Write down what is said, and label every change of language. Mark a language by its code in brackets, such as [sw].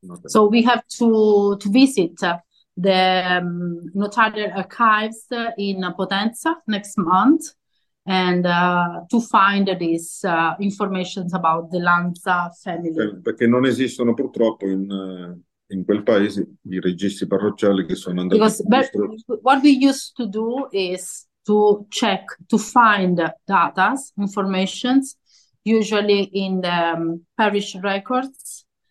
[en] So we have to visit the notarial archives in Potenza next month, and to find this information about the Lanza family. [it] Perché non esistono purtroppo in quel paese i registri parrocchiali che sono andati [en] Because [it] distrutti. [en] what we used to do is to check, to find data, information, usually in the parish records.